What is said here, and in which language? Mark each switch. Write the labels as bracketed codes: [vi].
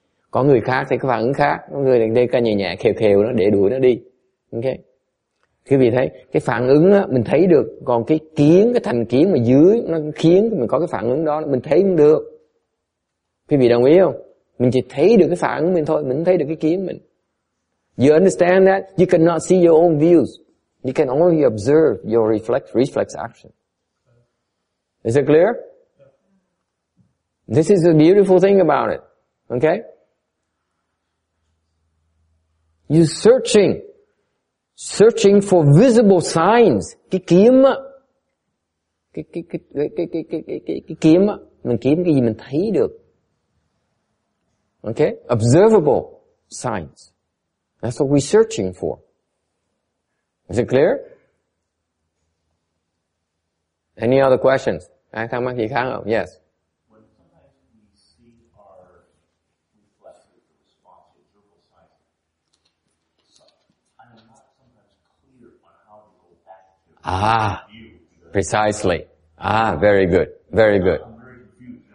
[vi] Có người khác thì có phản ứng khác, có người đây cái nhẹ nhẹ khều khều nó để đuổi nó đi. Ok, quý vị thấy cái phản ứng á, mình thấy được, còn cái kiến, cái thành kiến mà dưới nó khiến mình có cái phản ứng đó, mình thấy cũng được. Quý vị đồng ý không? Mình chỉ thấy được cái phản ứng mình thôi, mình thấy được cái kiến mình. [en] You understand that you cannot see your own views. You can only observe your reflex action. Is it clear? This is the beautiful thing about it. Okay? You're searching. Searching for visible signs. [vi] Cái kiếm á. Cái kiếm á. Mình kiếm cái gì mình thấy được. [en] Okay? Observable signs. That's what we're searching for. Is it clear? Any other questions? [vi] Ai thắc mắc gì khác không? [en] Yes. When sometimes we see our reflexes, responses, verbal signs, I'm not sometimes clear on how to go back to the view. Precisely. Ah, very good. Very good. I'm very confused.